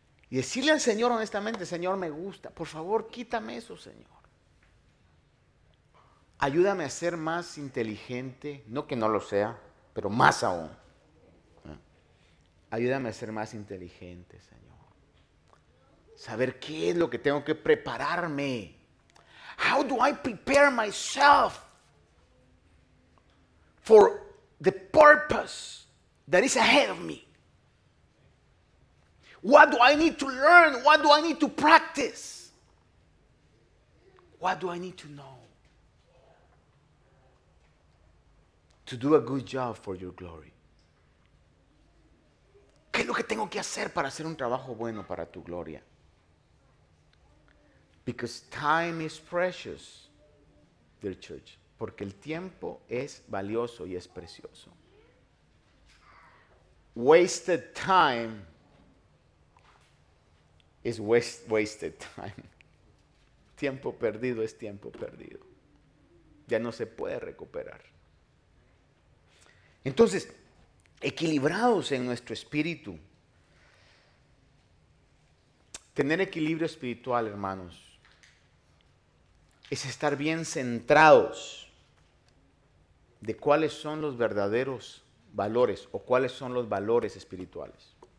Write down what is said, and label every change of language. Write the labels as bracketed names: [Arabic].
[Spanish] Y decirle al Señor honestamente: Señor, me gusta, por favor, quítame eso, Señor. Ayúdame a ser más inteligente, no que no lo sea, pero más aún. Ayúdame a ser más inteligente, Señor. Saber qué es lo que tengo que prepararme. [English] How do I prepare myself for the purpose that is ahead of me? What do I need to learn? What do I need to practice? What do I need to know to do a good job for your glory? [Spanish] ¿Qué es lo que tengo que hacer para hacer un trabajo bueno para tu gloria? [English] Because time is precious, dear church. [Spanish] Porque el tiempo es valioso y es precioso. [English] Wasted time is wasted time. [Spanish] Tiempo perdido es tiempo perdido. Ya no se puede recuperar. Entonces, equilibrados en nuestro espíritu. Tener equilibrio espiritual, hermanos, es estar bien centrados de cuáles son los verdaderos valores o cuáles son los valores espirituales.